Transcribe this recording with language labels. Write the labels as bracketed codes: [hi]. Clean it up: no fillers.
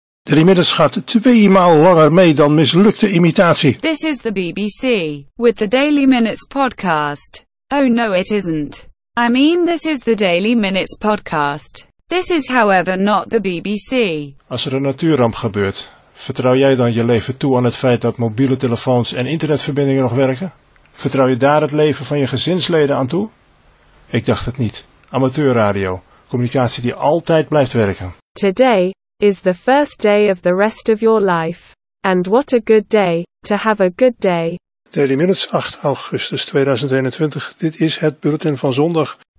[nl] Er inmiddels gaat twee maal langer mee dan mislukte imitatie. [en] This is the BBC, with the Daily Minutes podcast. Oh no, it isn't. I mean, this is the Daily Minutes podcast. This is however not the BBC. [nl] Als er een natuurramp gebeurt, vertrouw jij dan je leven toe aan het feit dat mobiele telefoons en internetverbindingen nog werken? Vertrouw je daar het leven van je gezinsleden aan toe? Ik dacht het niet. Amateurradio, communicatie die altijd blijft werken. [en] Today is the first day of the rest of your life. And what a good day, to have a good day. [nl] Daily Minutes, 8 augustus 2021. Dit is het bulletin van zondag.